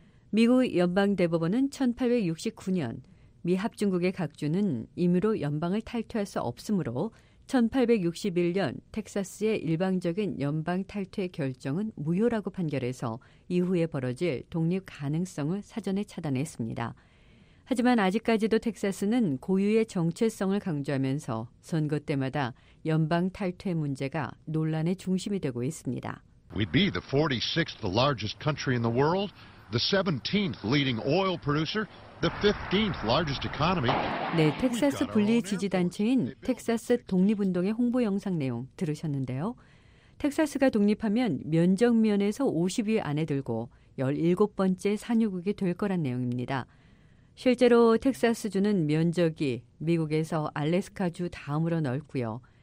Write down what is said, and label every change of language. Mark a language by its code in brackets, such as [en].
[ko] 미국 연방대법원은 1869년 미합중국의 각주는 임의로 연방을 탈퇴할 수 없으므로 1861년 텍사스의 일방적인 연방 탈퇴 결정은 무효라고 판결해서 이후에 벌어질 독립 가능성을 사전에 차단했습니다. 하지만 아직까지도 텍사스는 고유의 정체성을 강조하면서 선거 때마다 연방 탈퇴 문제가 논란의 중심이 되고 있습니다. [en] We'd be the 46th largest country in the world, the 17th leading oil producer, the 15th largest economy. [ko] 네, 텍사스 분리 지지 단체인 텍사스 독립운동의 홍보 영상 내용 들으셨는데요. 텍사스가 독립하면 면적 면에서 50위 안에 들고 17번째 산유국이 될 거란 내용입니다. 실제로 텍사스주는 면적이 미국에서 알래스카주 다음으로 넓고요.